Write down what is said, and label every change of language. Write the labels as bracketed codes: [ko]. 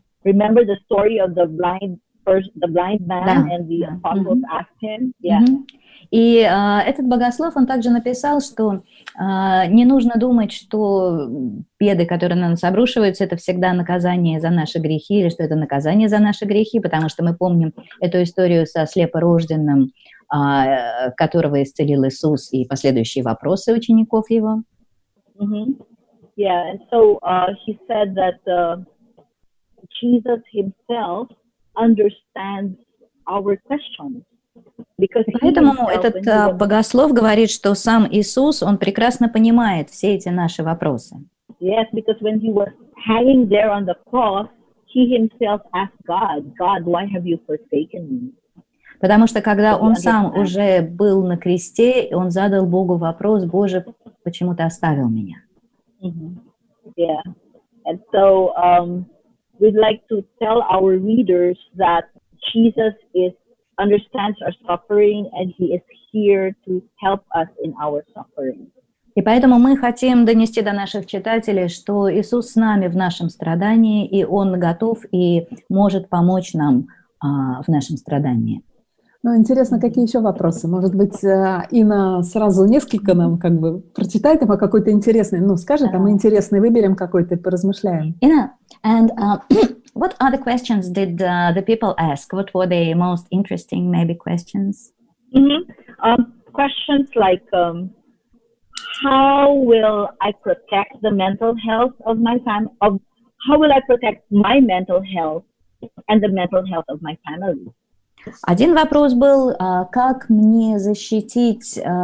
[en] Remember the story of the blind person, the blind man, and the apostles asked him. [ru] И этот богослов, он также написал, что не нужно думать, что беды, которые на нас обрушиваются, это всегда наказание за наши грехи, или что это наказание за наши грехи, потому что мы помним эту историю со слепорожденным, которого исцелил Иисус, и последующие вопросы учеников его. [en] Yeah, and so he said that Jesus himself understands our questions. [ru] Поэтому этот богослов говорит, что сам Иисус, он прекрасно понимает все эти наши вопросы. [en] Yes, because when he was hanging there on the cross, he himself asked God, God, why have you forsaken me? [ru] Потому что когда он сам уже был на кресте, он задал Богу вопрос, Боже, почему ты оставил меня? [en] And so we'd like to tell our readers that Jesus understands our suffering, and he is here to help us in our suffering. [ru] И поэтому мы хотим донести до наших читателей, что Иисус с нами в нашем страдании, и Он готов и может помочь нам в нашем страдании. Ну, интересно, какие еще вопросы? Может быть, Инна сразу несколько нам как бы прочитает, а какой-то интересный, ну, скажет, а мы интересный выберем какой-то и поразмышляем. [en] Inna, and what other questions did the people ask? What were the most interesting, maybe, questions? Questions like, how will I protect the mental health of my family? How will I protect my mental health and the mental health of my family? [ru] Один вопрос был, как мне защитить...